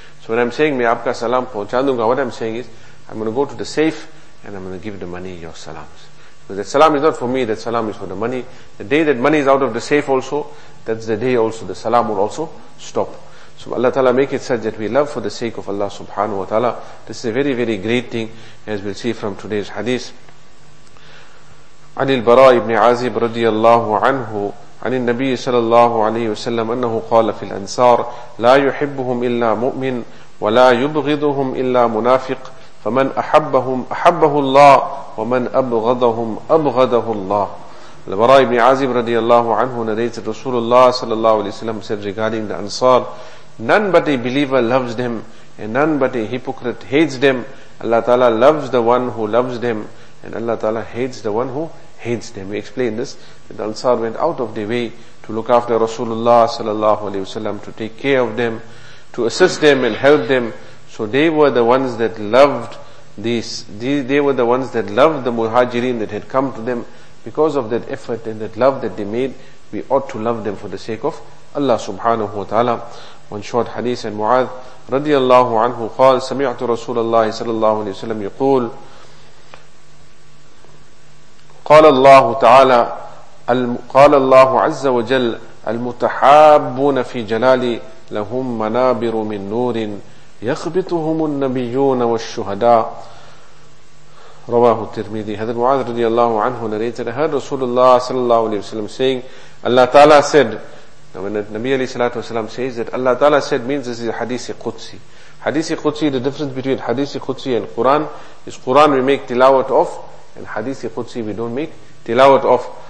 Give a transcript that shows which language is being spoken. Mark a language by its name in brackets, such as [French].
[English] So when I'm saying, [Hindi] 'Me aapka salam pohuncha dunga,' [English] what I'm saying is, I'm going to go to the safe and I'm going to give the money your salams. Because that salam is not for me, that salam is for the money. The day that money is out of the safe also, that's the day also the salam will also stop." So Allah Ta'ala make it such that we love for the sake of Allah subhanahu wa ta'ala. This is a very, very great thing, as we'll see from today's hadith. [Arabic] عن البراء بن عازب رضي الله عنه عن النبي صلى الله عليه وسلم أنه قال في الأنصار لا يحبهم إلا مؤمن ولا يبغضهم إلا منافق فمن أحبهم أحبه الله ومن أبغضهم أبغضه الله. [English] البراء بن عازب رضي الله عنه narrated رسول الله صلى الله عليه وسلم said regarding the Ansar, none but a believer loves them and none but a hypocrite hates them. Allah Ta'ala loves the one who loves them and Allah Ta'ala hates the one who hates them. We explain this, that the Ansar went out of their way to look after Rasulullah sallallahu alayhi wasallam, to take care of them, to assist them and help them. So they were the ones that loved they were the ones that loved the Muhajirin that had come to them. Because of that effort and that love that they made, we ought to love them for the sake of Allah subhanahu wa ta'ala. One short hadith, [Arabic] and Mu'adh radiallahu anhu qal, sami'tu Rasulullah sallallahu alayhi wasallam yuqul, قال الله تعالى قال الله عز وجل المتحابون في جلالي لهم منابر من نور يخبطهم النبيون والشهداء رواه الترمذي. [English] هذا معاذ رضي الله عنه narrated, I heard رسول الله صلى الله عليه وسلم saying, Allah Ta'ala said, when the Nabi عليه الصلاة والسلام says that Allah Ta'ala said, means this is a hadithi Qudsi. Hadithi Qudsi, the difference between hadithi Qudsi and Quran is Quran we make tilawat of, and hadithi Qudsi we don't make tilawat of.